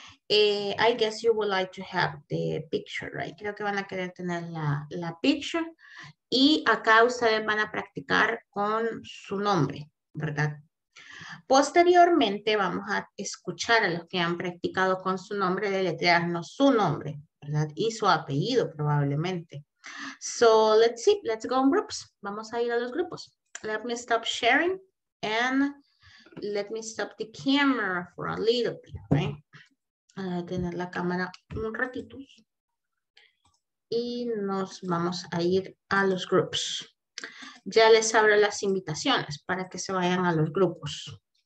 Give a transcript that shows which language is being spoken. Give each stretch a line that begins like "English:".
English: I guess you would like to have the picture, right?
Spanish: Creo que van a querer tener la picture. Y acá ustedes van a practicar con su nombre, ¿verdad? Posteriormente vamos a escuchar a los que han practicado con su nombre, deletrearnos su nombre, ¿verdad? Y su apellido probablemente.
English: So let's see, let's go in groups.
Spanish: Vamos a ir a los grupos.
English: Let me stop sharing and let me stop the camera for a little bit, right?
Spanish: A tener la cámara un ratito y nos vamos a ir a los grupos. Ya les abro las invitaciones para que se vayan a los grupos.